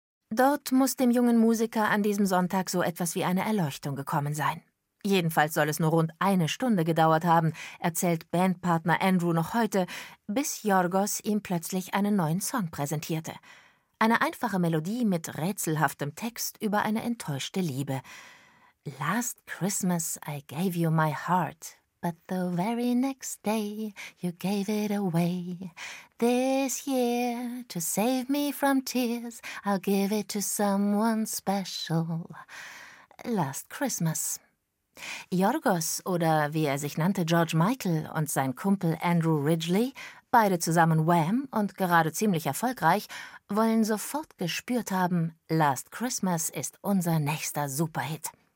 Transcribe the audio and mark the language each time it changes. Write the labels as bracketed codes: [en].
[de] Dort muss dem jungen Musiker an diesem Sonntag so etwas wie eine Erleuchtung gekommen sein. Jedenfalls soll es nur rund eine Stunde gedauert haben, erzählt Bandpartner Andrew noch heute, bis Yorgos ihm plötzlich einen neuen Song präsentierte. Eine einfache Melodie mit rätselhaftem Text über eine enttäuschte Liebe. [en] »Last Christmas I gave you my heart, but the very next day you gave it away. This year, to save me from tears, I'll give it to someone special. [de] Last Christmas.« Yorgos, oder wie er sich nannte, George Michael, und sein Kumpel Andrew Ridgely, beide zusammen Wham und gerade ziemlich erfolgreich, wollen sofort gespürt haben, Last Christmas ist unser nächster Superhit.